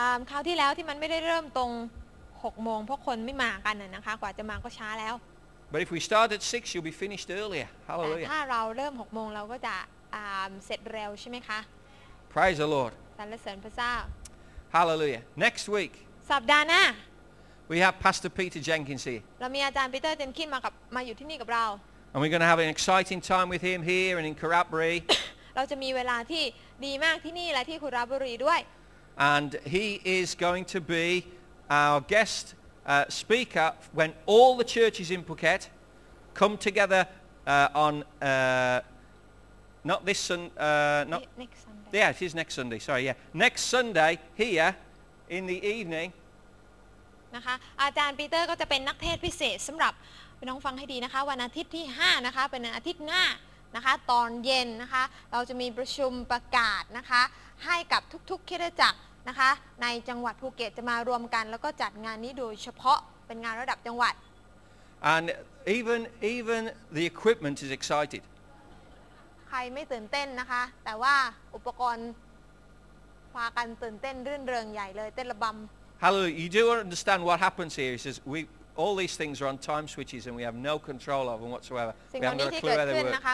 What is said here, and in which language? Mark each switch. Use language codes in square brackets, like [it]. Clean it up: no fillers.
[th] คราวที่แล้วที่มันไม่ได้เริ่มตรง6โมงเพราะคนไม่มากันนะคะกว่าจะมาก็ช้าแล้ว [en] But if we start at 6 you'll be finished earlier Hallelujah [th] ถ้าเราเริ่ม6โมงเราก็จะเสร็จเร็วใช่มั้ยคะ [en] Praise the Lord [th] สรรเสริญพระเจ้า [en] Hallelujah next week [th] สัปดาห์หน้า [en] We have Pastor Peter Jenkins here. [th] เรามีอาจารย์ปีเตอร์เจนคินมาอยู่ที่นี่กับเรา [en] And we're going to have an exciting time with him here and in Kurrabri. [th] เราจะมีเวลาที่ดีมากที่นี่และที่คุรับบุรีด้วย [en] And he is going to be our guest speaker when all the churches in Phuket come together on not this next Sunday. Yeah, it is next Sunday. Sorry, yeah, next Sunday here in the evening. [th] นะคะอาจารย์ปีเตอร์ก็จะเป็นนักเทศพิเศษสำหรับน้องฟังให้ดีนะคะวันอาทิตย์ที่5นะคะเป็นอาทิตย์หน้านะคะตอนเย็นนะคะเราจะมีประชุมประกาศนะคะให้กับทุกๆคริสตจักรนะคะในจังหวัดภูเก็ตจะมารวมกันแล้วก็จัดงานนี้โดยเฉพาะเป็นงานระดับจังหวัด [en] And even the equipment is excited [th] ใครไม่ตื่นเต้นนะคะแต่ว่าอุปกรณ์พากันตื่นเต้นรื่นเริงใหญ่เลยเต้นระบำ [en] Hallelujah. You do understand what happens here. He says, all these things are on time switches and we have no control of them whatsoever. We have no clue where they were.